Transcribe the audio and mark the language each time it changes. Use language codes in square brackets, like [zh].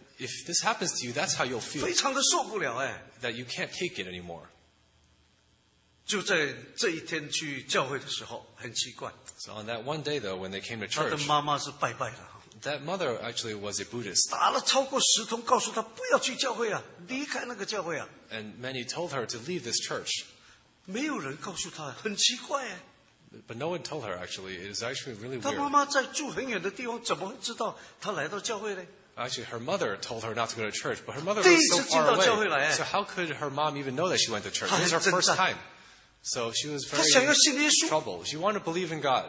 [en] If this happens to you, that's how you'll feel. [zh] 非常的受不了耶。 [en] That you can't take it anymore. [zh] 就在这一天去教会的时候，很奇怪。 [en] So on that one day, though, when they came to church, [zh] 他的妈妈是拜拜的。 [en] That mother actually was a Buddhist. [zh] 打了超过十通，告诉她不要去教会啊，离开那个教会啊。 [en] And many told her to leave this church. [zh] 没有人告诉她，很奇怪耶。 [en] But no one told her, actually. It is actually really weird. [zh] 她妈妈在住很远的地方，怎么会知道她来到教会呢？ [en] Actually, her mother told her not to go to church, but her mother was so far away. So how could her mom even know that she went to church? It was her first time. So she was very in trouble. She wanted to believe in God.